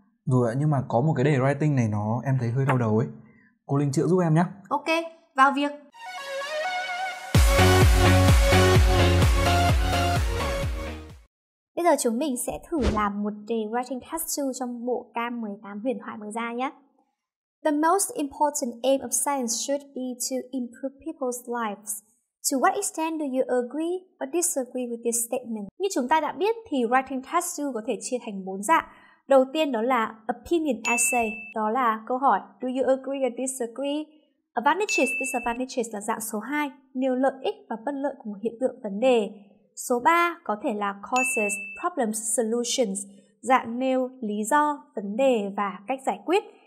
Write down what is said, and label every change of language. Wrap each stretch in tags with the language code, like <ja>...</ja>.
<vi>Rồi, nhưng mà có một cái đề writing này nó em thấy hơi đau đầu ấy. Cô Linh chữa giúp em nhé. Ok, vào việc. Bây giờ chúng mình sẽ thử làm một đề writing task 2 trong bộ Cam 18 huyền thoại mới ra nhé.</vi> <en>The most important aim of science should be to improve people's lives. To what extent do you agree or disagree with this statement?</en> <vi>Như chúng ta đã biết thì writing task 2 có thể chia thành 4 dạng. Đầu tiên đó là opinion essay, đó là câu hỏi</vi> <en>do you agree or disagree?</en> <vi>Advantages, disadvantages là dạng số 2, nêu lợi ích và bất lợi của một hiện tượng vấn đề. Số 3 có thể là causes, problems, solutions, dạng nêu lý do, vấn đề và cách giải quyết.</vi>